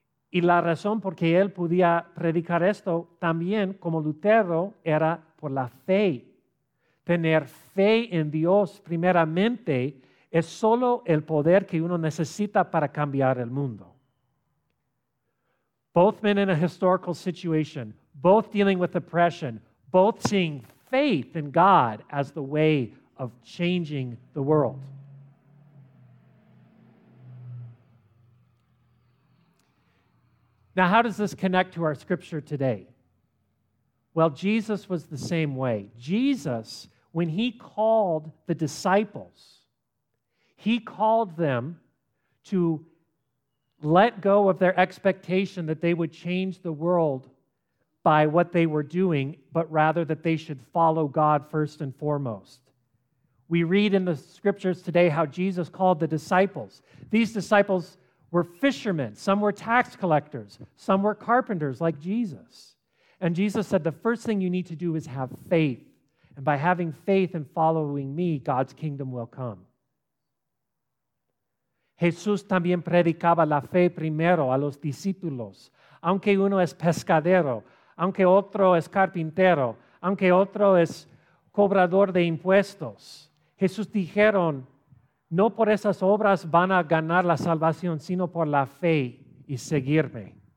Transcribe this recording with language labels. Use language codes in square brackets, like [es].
[es] Y la razón por qué él podía predicar esto también, como Lutero, era por la fe. Tener fe en Dios primeramente es solo el poder que uno necesita para cambiar el mundo. [en] Both men in a historical situation, both dealing with oppression, both seeing faith in God as the way of changing the world. Now, how does this connect to our scripture today? Well, Jesus was the same way. Jesus, when he called the disciples, he called them to let go of their expectation that they would change the world by what they were doing, but rather that they should follow God first and foremost. We read in the scriptures today how Jesus called the disciples. These disciples were fishermen. Some were tax collectors. Some were carpenters like Jesus. And Jesus said, the first thing you need to do is have faith. And by having faith and following me, God's kingdom will come. [es] Jesús también predicaba la fe primero a los discípulos. Aunque uno es pescadero, aunque otro es carpintero, aunque otro es cobrador de impuestos, Jesús dijeron, no por esas obras van a ganar la salvación, sino por la fe y seguirme.